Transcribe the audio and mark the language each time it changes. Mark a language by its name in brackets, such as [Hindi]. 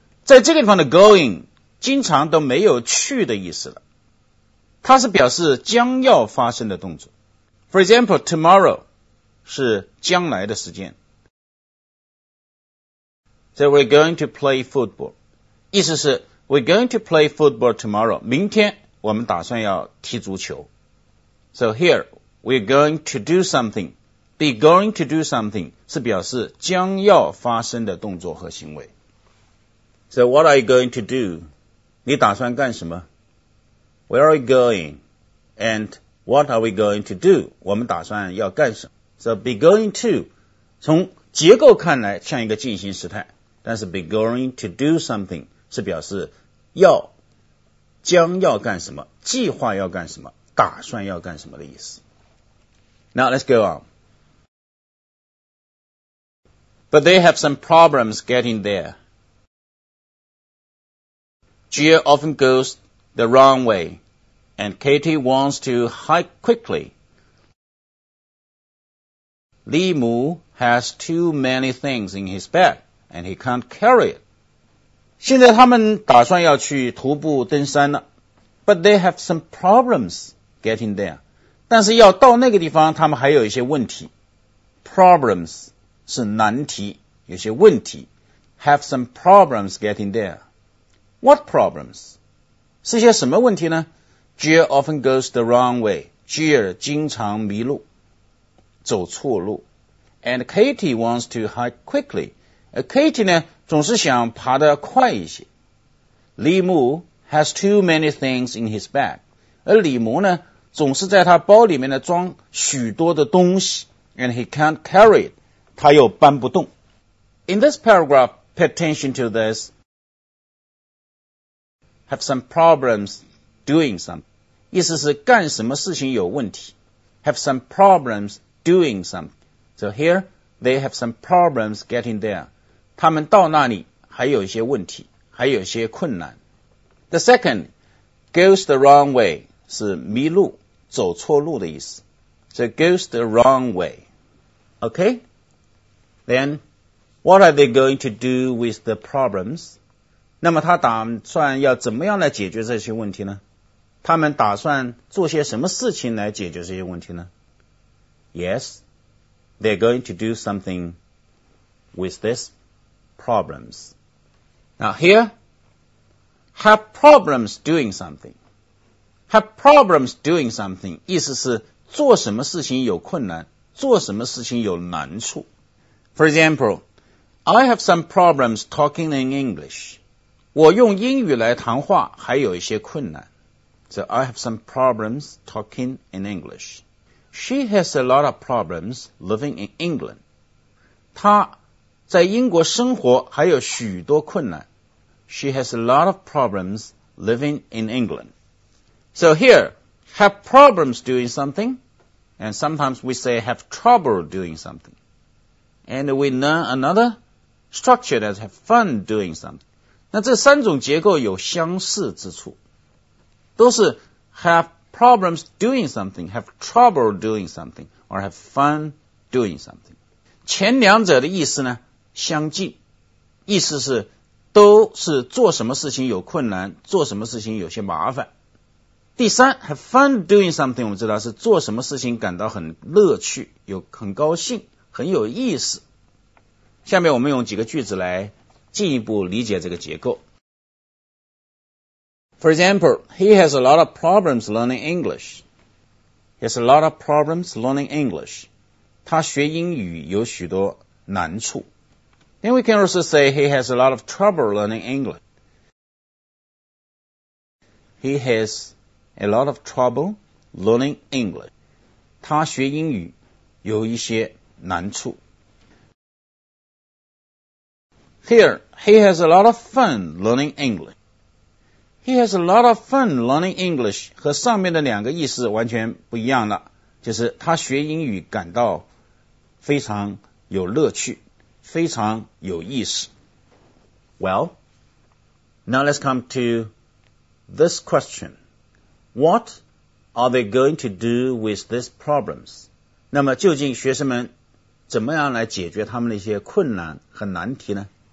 [Chinese] 在这个地方的 going 经常都没有去的意思了，它是表示将要发生的动作。 [English] For example, tomorrow [Chinese] 是将来的时间。 [English] So we're going to play football. [Chinese] 意思是 [English] we're going to play football tomorrow. [Chinese] 明天我们打算要踢足球。 [English] So here, we're going to do something. Be going to do something [Chinese] 是表示将要发生的动作和行为。 [English] So what are you going to do? [Chinese] 你打算干什么? [English] Where are you going? And What are we going to do? [Chinese] 我们打算要干什么 ？ [English] So be going to， [Chinese] 从结构看来像一个进行时态，但是 [English] be going to do something [Chinese] 是表示要将要干什么，计划要干什么，打算要干什么的意思。 [English] Now let's go on. But they have some problems getting there. Jill often goes the wrong way, and Katie wants to hike quickly. Li Mu has too many things in his bag, and he can't carry it. [Chinese] 现在他们打算要去徒步登山了。 [English] But they have some problems getting there. [Chinese] 但是要到那个地方他们还有一些问题。 Problems 是难题，有些问题。 [English] Have some problems getting there. What problems? [Chinese] 是些什么问题呢？ [English] Jill often goes the wrong way. [Chinese] Jill 经常迷路，走错路。 [English] And Katie wants to hike quickly. [Chinese] Katie 呢，总是想爬得快一些。 [English] Li Mu has too many things in his bag. [Chinese] 而李摩呢，总是在他包里面呢装许多的东西。 [English] And he can't carry it. [Chinese] 他又搬不动。 [English] In this paragraph, pay attention to this. Have some problems doing something. [Chinese] 意思是干什么事情有问题。 [English] Have some problems doing something. So here, they have some problems getting there. [Chinese] 他们到那里还有一些问题，还有一些困难。 [English] The second, goes the wrong way, [Chinese] 是迷路，走错路的意思。 [English] So goes the wrong way. Okay? Then, what are they going to do with the problems? [Chinese] 那么他打算要怎么样来解决这些问题呢？他们打算做些什么事情来解决这些问题呢？ [English] Yes, they're going to do something with this. Problems. Now here, have problems doing something. Have problems doing something. [Chinese] 意思是做什么事情有困难，做什么事情有难处。 [English] For example, I have some problems talking in English. [Chinese] 我用英语来谈话还有一些困难。 [English] So I have some problems talking in English. She has a lot of problems living in England. [Chinese] 她在英国生活还有许多困难。 [English] She has a lot of problems living in England. So here, have problems doing something, and sometimes we say have trouble doing something. And we learn another structure that have fun doing something. [Chinese] 那这三种结构有相似之处，都是 [English] have problems doing something, have trouble doing something, or have fun doing something. [Chinese] 前两者的意思呢相近，意思是都是做什么事情有困难，做什么事情有些麻烦。第三 [English] have fun doing something， [Chinese] 我们知道是做什么事情感到很乐趣，有很高兴，很有意思。下面我们用几个句子来进一步理解这个结构。 [English] For example, he has a lot of problems learning English. He has a lot of problems learning English. [Chinese] 他学英语有许多难处。 [English] Then we can also say he has a lot of trouble learning English. He has a lot of trouble learning English. [Chinese] 他学英语有一些难处。 [English] Here, he has a lot of fun learning English. He has a lot of fun learning English [Chinese] 和上面的两个意思完全不一样了，就是他学英语感到非常有乐趣。非常有意思。 [English] Well, now let's come to this question. What are they going to do with these problems? [Chinese] 那么究竟学生们怎么样来解决他们的一些困难和难题呢？